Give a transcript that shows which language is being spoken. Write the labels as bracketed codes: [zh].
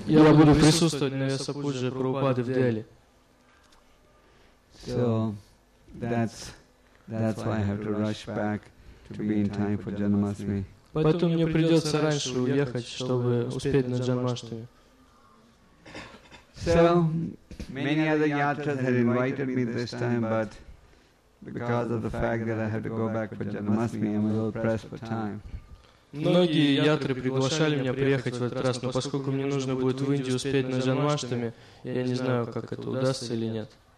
[ru] Я буду присутствовать на Ясапудже Прабхупады в Дели. [en] So that's why I have to rush back to be in time for Janmashtami. [ru] Поэтому мне придется раньше уехать, чтобы успеть на Джанмаштами. [en] So many other yatras had invited me this time, but because of the fact that I had to go back for Janmashtami, I'm a little pressed for time. [ru] Многие ятры приглашали меня приехать в этот раз, но поскольку мне нужно будет в Индии успеть на Джанмаштами, я не знаю, как это удастся или нет.